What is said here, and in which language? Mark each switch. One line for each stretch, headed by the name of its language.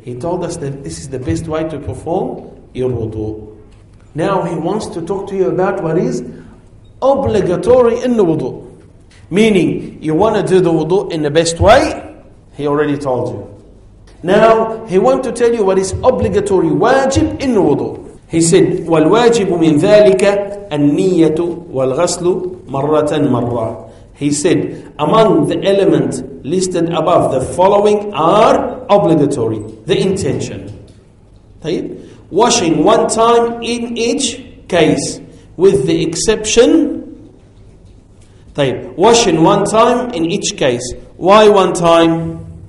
English: He told us that this is the best way to perform your wudu. Now he wants to talk to you about what is obligatory in the wudu. Meaning, you want to do the wudu in the best way, he already told you. Now, he wants to tell you what is obligatory, wajib in the wudu. He said,
Arabic: وَالْوَاجِبُ مِنْ ذَٰلِكَ النِّيَّةُ وَالْغَسْلُ مَرَّةً مَرَّةً.
English: He said, among the elements listed above, the following are obligatory. The intention. طيب. Washing one time in each case, with the exception.
Arabic: طيب.
English: Washing one time in each case. Why one time?